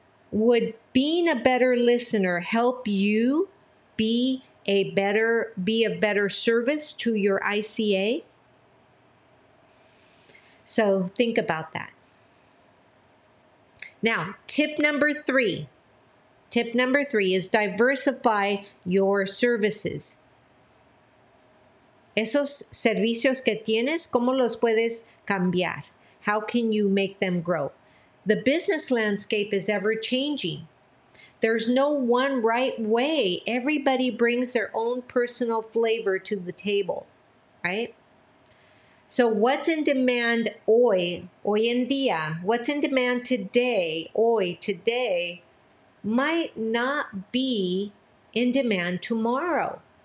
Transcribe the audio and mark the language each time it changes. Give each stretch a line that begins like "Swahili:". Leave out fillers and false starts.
English: Would being a better listener help you be a better service to your ICA? So think about that. Now, tip number three is diversify your services.
Spanish: Esos servicios que tienes, ¿cómo los puedes cambiar?
English: How can you make them grow? The business landscape is ever changing. There's no one right way. Everybody brings their own personal flavor to the table, right? So what's in demand
Spanish: hoy en día,
English: what's in demand today, might not be in demand tomorrow.